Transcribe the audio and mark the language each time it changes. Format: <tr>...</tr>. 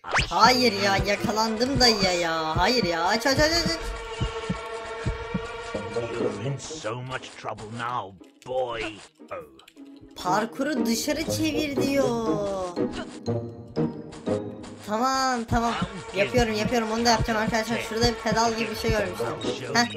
<tr>Hayır ya yakalandım dayıya ya. Hayır ya aç.</tr> <en>You're in so much trouble now, boy.</en> <tr>Parkuru dışarı çevir diyor. Tamam. Yapıyorum. Onu da yapacağım arkadaşlar. Şurada bir pedal gibi bir şey görmüştüm.</tr>